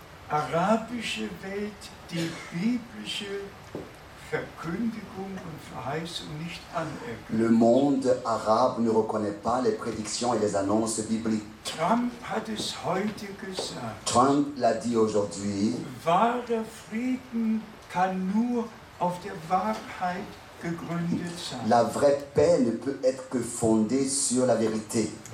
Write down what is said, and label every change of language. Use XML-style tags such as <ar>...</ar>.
<de>arabische Welt die biblische Verkündigung und Verheißung nicht anerkennt.</de> <fr>Le monde arabe ne reconnaît pas les prédictions et les annonces bibliques.</fr> <de>Trump hat es heute gesagt.</de> <fr>Trump l'a dit aujourd'hui.</fr> <de>Wahrer Frieden kann nur auf der Wahrheit gegründet sein.</de> <fr>La vraie paix ne peut être que fondée sur la vérité.</fr>